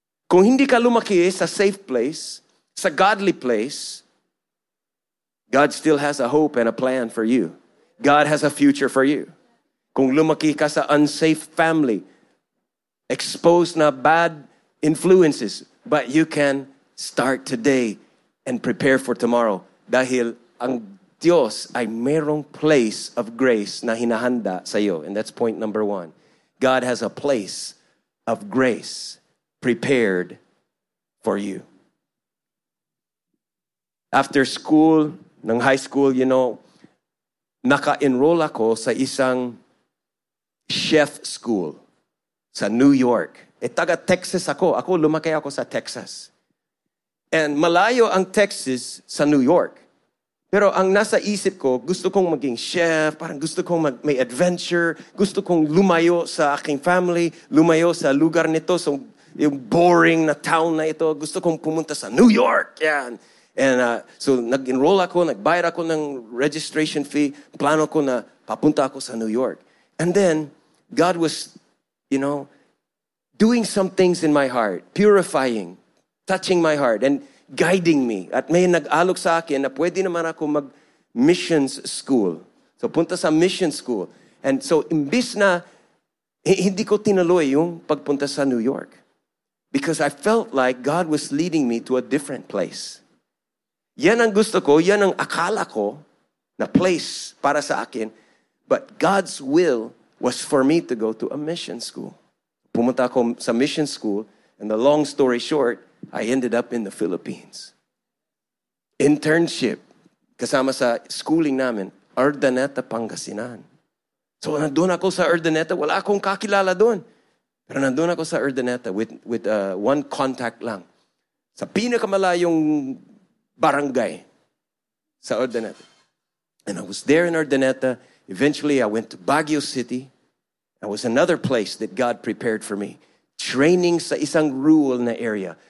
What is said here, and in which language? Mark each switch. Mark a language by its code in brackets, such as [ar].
[tl] Kung hindi ka lumaki sa safe place, sa godly place, [en] God still has a hope and a plan for you. God has a future for you. [tl] Kung lumaki ka sa [en] unsafe family, [tl] exposed na [en] bad influences, but you can start today and prepare for tomorrow. [tl] Dahil ang Diyos ay merong place of grace na hinahanda sa'yo. [en] And that's point number one. God has a place of grace prepared for you. After school, ng high school, you know, [tl] naka-enroll ako sa isang [en] chef school sa New York. [tl] E taga Texas ako. Ako lumaki ako sa Texas. And malayo ang Texas sa New York. Pero ang nasa isip ko, gusto kong maging chef, parang gusto kong may adventure, gusto kong lumayo sa aking family, lumayo sa lugar nito, so yung boring na town na ito, gusto kong pumunta sa New York. Yan. And so nag-enroll ako, nagbayad ako ng registration fee, plano ko na papunta ako sa New York. [en] And then, God was, you know, doing some things in my heart, purifying, touching my heart, and guiding me. [tl] At may nag-alok sa akin na pwede naman ako mag-missions school. So punta sa mission school. And so imbis na hindi ko tinuloy yung pagpunta sa New York. [en] Because I felt like God was leading me to a different place. [tl] Yan ang gusto ko, yan ang akala ko na place para sa akin. [en] But God's will was for me to go to a mission school. [tl] Pumunta ako sa mission school. [en] And the long story short, I ended up in the Philippines. [tl] Internship, kasama sa schooling namin, Urdaneta, Pangasinan. So nandun ako sa Urdaneta, wala akong kakilala doon. Pero nandun ako sa Urdaneta [en] with one contact [tl] lang. Sa pinakamalayong barangay sa Urdaneta. [en] And I was there in Urdaneta. Eventually, I went to Baguio City. That was another place that God prepared for me. [tl] Training sa isang rural na area.